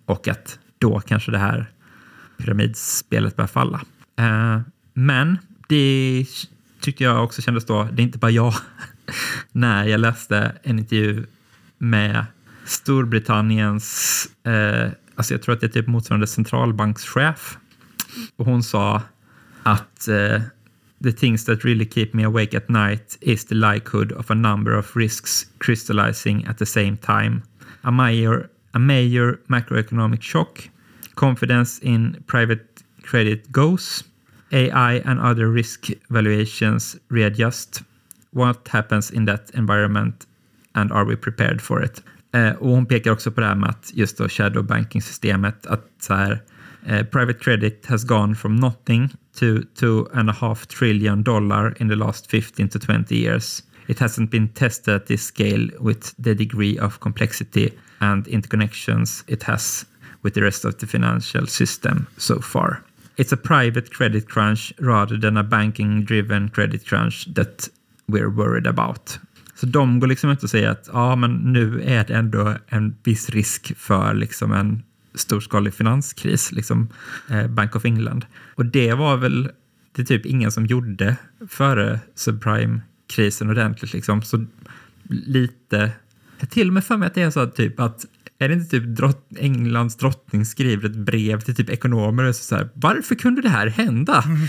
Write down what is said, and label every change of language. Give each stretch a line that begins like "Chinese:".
Swedish: Och att då kanske det här pyramidspelet börjar falla. Men det tyckte jag också kändes då, det är inte bara jag. När jag läste en intervju med Storbritanniens, alltså jag tror att det är typ motsvarande centralbankschef. Och hon sa att
English: the things that really keep me awake at night is the likelihood of a number of risks crystallizing at the same time. A major macroeconomic shock, confidence in private credit goes, AI and other risk valuations readjust. What happens in that environment and are we prepared for it?
Swedish: Och hon pekar också på det här med att just då shadow banking systemet att så här,
English: private credit has gone from nothing to $2.5 trillion in the last 15 to 20 years. It hasn't been tested at this scale with the degree of complexity and interconnections it has with the rest of the financial system so far. It's a private credit crunch rather than a banking driven credit crunch that we're worried about.
Swedish: Så de går liksom ut och säger att ja, men nu är det ändå en viss risk för liksom en storskalig finanskris, liksom Bank of England. Och det var väl det typ ingen som gjorde före subprime-krisen ordentligt liksom. Så lite, till och med för mig att det är så att typ att, är det inte typ Englands drottning skriver ett brev till typ ekonomer och så här, varför kunde det här hända?